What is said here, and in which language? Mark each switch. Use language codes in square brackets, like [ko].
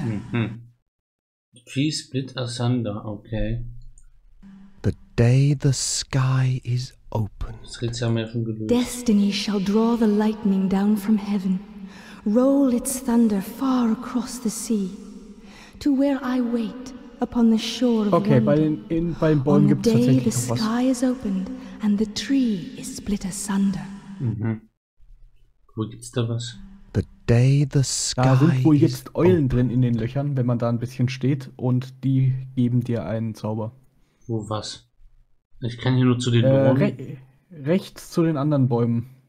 [en] Mm-hmm. Tree split asunder, okay. The day the sky is opened. [de] Das Rätsel haben wir ja schon gelöst. [en] Destiny shall draw the lightning down from heaven, roll its thunder far across the sea, to where I wait upon the shore of wonder. [de] Okay, bei den Bäumen gibt's tatsächlich noch was. [en] On the day the sky is opened and the tree is split asunder. [de] Mhm. Wo gibt's da was? [en] The day the sky. [de] Da sind wohl jetzt Eulen drin in den Löchern, wenn man da ein bisschen steht, und die geben dir einen Zauber. Wo was? Ich kann hier nur zu den Bäumen. Rechts zu den anderen Bäumen.